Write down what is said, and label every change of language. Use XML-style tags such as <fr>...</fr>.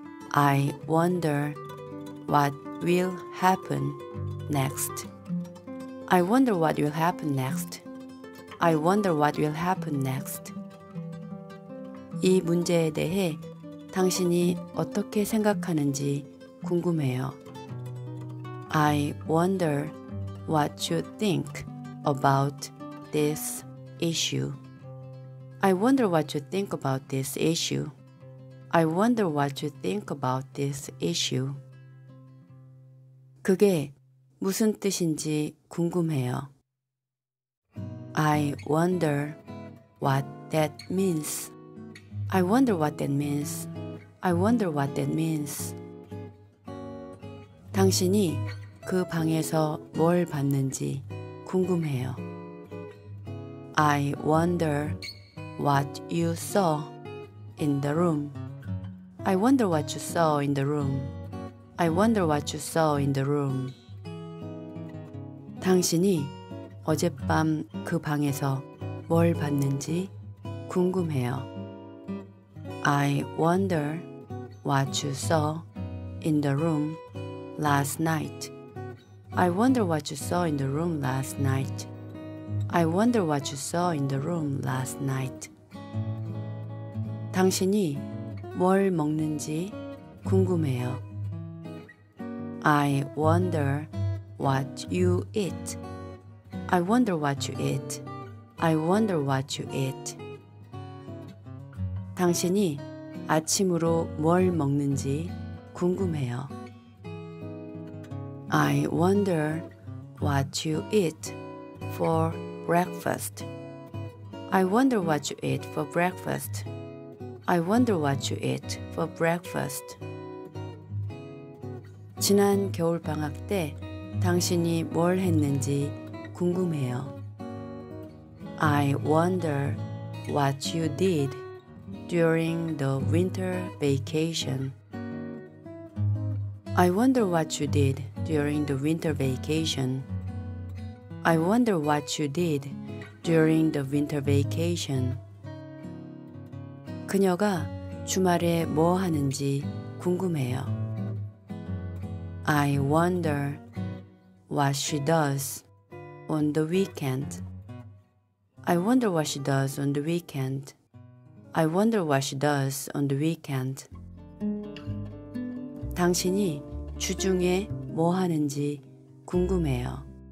<en>I wonder what will happen next. I wonder what will happen next. I wonder what will happen next.</en> <ko>이 문제에 대해 당신이 어떻게 생각하는지 궁금해요.</ko> <en>I wonder what you think about this issue. I wonder what you think about this issue. I wonder what you think about this issue.</en> <ko>그게 무슨 뜻인지 궁금해요.</ko> <en>I wonder what that means. I wonder what that means. I wonder what that means.</en> <ko>당신이 그 방에서 뭘 봤는지 궁금해요.</ko> <en>I wonder what you saw in the room. I wonder what you saw in the room. I wonder what you saw in the room.</en> <ko>당신이 어젯밤 그 방에서 뭘 봤는지 궁금해요.</ko> <en>I wonder what you saw in the room last night. I wonder what you saw in the room last night. I wonder what you saw in the room last night.</en> <ko>당신이 뭘 먹는지 궁금해요.</ko> <en>I wonder what you eat. I wonder what you eat. I wonder what you eat.</en> <ko>당신이 아침으로 뭘 먹는지 궁금해요.</ko> <en>I wonder what you eat for breakfast. I wonder what you eat for breakfast. I wonder what you eat for breakfast.</en> <ko>지난 겨울 방학 때 당신이 뭘 했는지 궁금해요.</ko> <en>I wonder what you did during the winter vacation. I wonder what you did during the winter vacation. I wonder what you did during the winter vacation.</en> <ko>그녀가 주말에 뭐 하는지 궁금해요.</ko> <en>I wonder what she does on the weekend. I wonder what she does on the weekend. I wonder what she does on the weekend.</en> <ko>당신이 주중에 뭐 하는지 궁금해요.</ko>